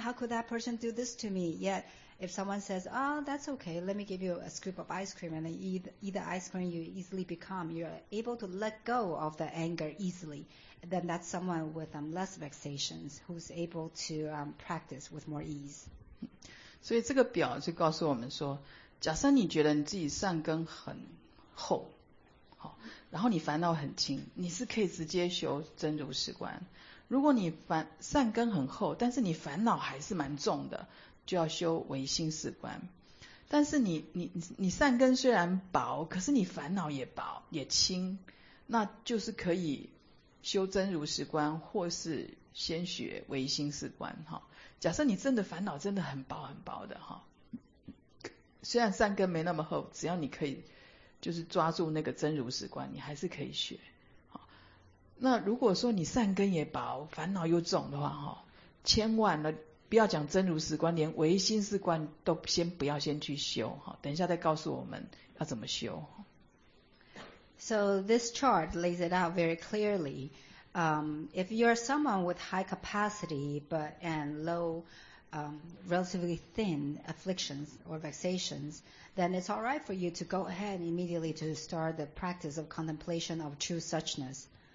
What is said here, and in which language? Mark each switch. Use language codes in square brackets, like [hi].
[en] How could that person do this to me? Yet, if someone says, oh, that's okay. Let me give you a scoop of ice cream and then eat the ice cream, you easily become. You're able to let go of the anger easily. Then that's someone with less vexations who's able to practice with more ease. [zh] 所以这个表就告诉我们说，假设你觉得你自己善根很厚，好，然后你烦恼很轻，你是可以直接修真如实观。如果你善根很厚，但是你烦恼还是蛮重的，就要修唯心是观。但是你善根虽然薄，可是你烦恼也薄也轻，那就是可以修真如实观，或是先学唯心是观。假设你真的烦恼真的很薄很薄的，虽然善根没那么厚，只要你可以就是抓住那个真如实观，你还是可以学。那如果说你善根也薄，烦恼又重的话，千万的不要讲真如实观，连唯心是观都先不要先去修，等一下再告诉我们要怎么修。 [en] So this chart lays it out very clearly. If you're someone with high capacity and low, relatively thin afflictions or vexations, then it's all right for you to go ahead immediately to start the practice of contemplation of true suchness.